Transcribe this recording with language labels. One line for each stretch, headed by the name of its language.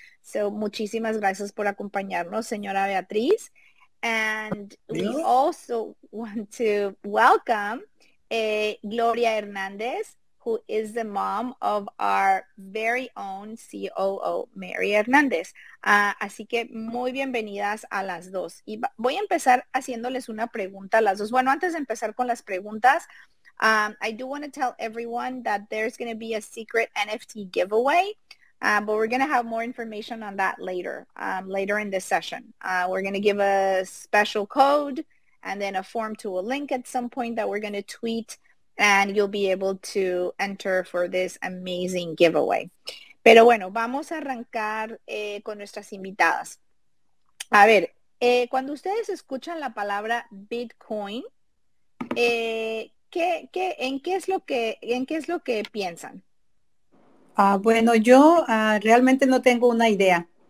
Spanish: So muchísimas gracias por acompañarnos, señora Beatriz.
English: And we also want to welcome Gloria Hernández, who is the mom of our very own COO, Mary Hernández.
Spanish: Así que muy bienvenidas a las dos. Y voy a empezar haciéndoles una pregunta a las dos. Bueno, antes de empezar con las preguntas,
English: I do want to tell everyone that there's going to be a secret NFT giveaway, but we're going to have more information on that later, later in this session. We're going to give a special code and then a form to a link at some point that we're going to tweet, and you'll be able to enter for this amazing giveaway.
Spanish: Pero bueno, vamos a arrancar con nuestras invitadas. A ver, cuando ustedes escuchan la palabra Bitcoin, ¿en qué es lo que piensan? Bueno, yo realmente no tengo una idea.